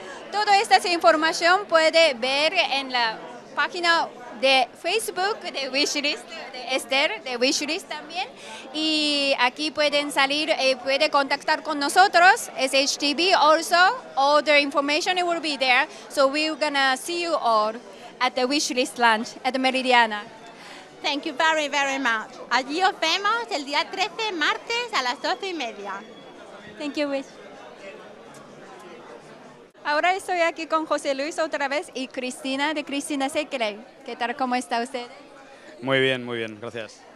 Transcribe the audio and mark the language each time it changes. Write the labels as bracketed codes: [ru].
[es] Toda esta información puede ver en la página de Facebook de Wishlist, de Esther, de Wishlist también. Y aquí pueden salir, pueden contactar con nosotros, SHTV also. [en] All the information will be there. So we're gonna see you all at the Wishlist lunch at Meridiana. Thank you very, very much. [es] Allí os vemos el día 13, martes, a las 12:30. [en] Thank you, Wish. [es] Ahora estoy aquí con José Luis otra vez y Cristina, de Cristina Secret. ¿Qué tal? ¿Cómo está usted? Muy bien, gracias.